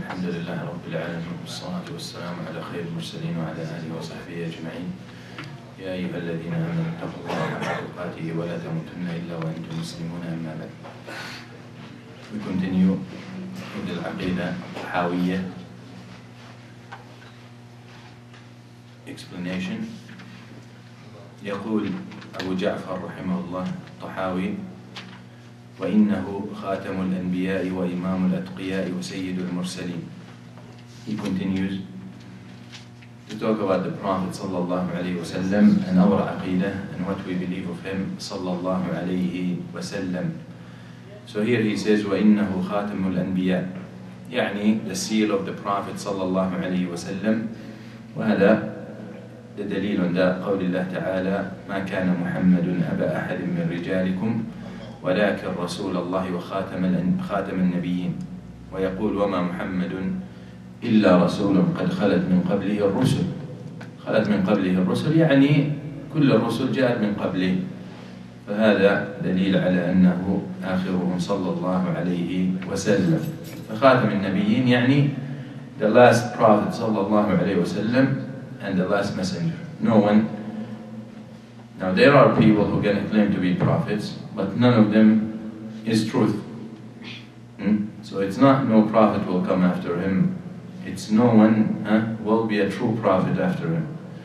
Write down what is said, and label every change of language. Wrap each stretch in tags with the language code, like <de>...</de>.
<ar>الحمد لله رب العالمين، والصلاة والسلام على خير المرسلين وعلى آله وصحبه أجمعين. يا أيها الذين آمنوا اتقوا الله حق تقاته ولا تموتن إلا وأنتم مسلمون، أما بعد.</ar> <en>We continue with the عقيدة الحاوية explanation.</en> <ar>يقول أبو جعفر رحمه الله الطحاوي: وإنه خاتم الأنبياء وإمام الأتقياء وسيد المرسلين.</ar> <en>He continues to talk about the Prophet صلى الله عليه وسلم and our عقيدة and what we believe of him صلى الله عليه وسلم. So here he says</en> <ar>وإنه خاتم الأنبياء،</ar> <en>يعني the seal of the Prophet صلى الله عليه وسلم.</en> <ar>وهذا دليل عند قول الله تعالى: ما كان محمد أبا أحد من رجالكم ولكن رسول الله وخاتم النبيين، ويقول: وما محمد إلا رسول قد خلت من قبله الرسل. خلت من قبله الرسل يعني كل الرسل جاءت من قبله، فهذا دليل على أنه آخرهم صلى الله عليه وسلم. فخاتم النبيين يعني</ar> <en>the last prophet صلى الله عليه وسلم and the last messenger. No one. Now there are people who can claim to be prophets, but none of them is truth. So it's not no prophet will come after him. It's no one will be a true prophet after him.</en>